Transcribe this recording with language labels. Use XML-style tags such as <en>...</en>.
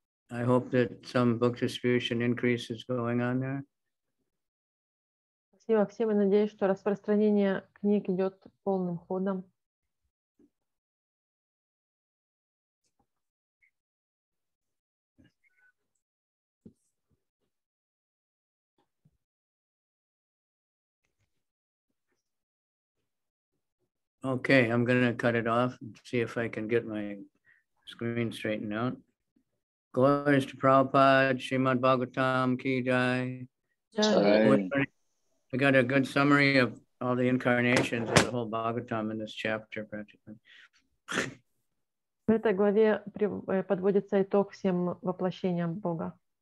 <en>I hope that some book distribution increase is going on there.</en> <ru>Спасибо всем и надеюсь, что распространение книг идет полным ходом.</ru> <en>Okay, I'm going to cut it off and see if I can get my screen straightened out. Glories to Prabhupada, Srimad Bhagavatam, Ki Jai. Jai. We got a good summary of all the incarnations of the whole Bhagavatam in this chapter, practically.</en> <ru>В этой главе подводится итог всем воплощениям Бога.</ru>